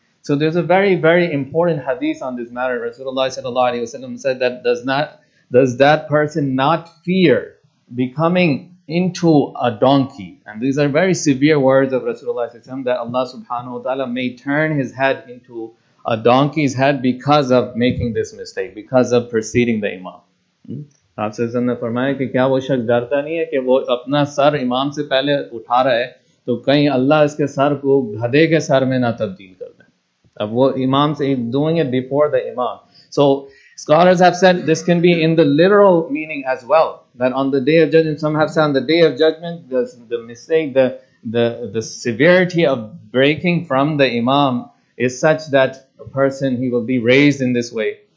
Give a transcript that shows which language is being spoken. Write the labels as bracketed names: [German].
[English] So there's a very, very important hadith on this matter. Rasulullah sallallahu alaihi wasallam said that does that person not fear becoming into a donkey? And these are very severe words of Rasulullah sallallahu alaihi wasallam, that Allah subhanahu wa ta'ala may turn his head into a donkey's head because of making this mistake, because of preceding the imam. [Urdu] آپ صلی اللہ علیہ وسلم نے فرمایا کہ کیا وہ شخص ڈرتا نہیں ہے کہ وہ اپنا سر امام سے پہلے اٹھا رہا ہے تو کہیں اللہ اس کے سر کو گدھے کے سر میں نہ تبدیل کر دیں. اب وہ امام سے [English] doing it before the imam. So scholars have said this can be in the literal meaning as well, that on the day of judgment, some have said on the day of judgment, the mistake, the severity of breaking from the imam is such that a person, he will be raised in this way.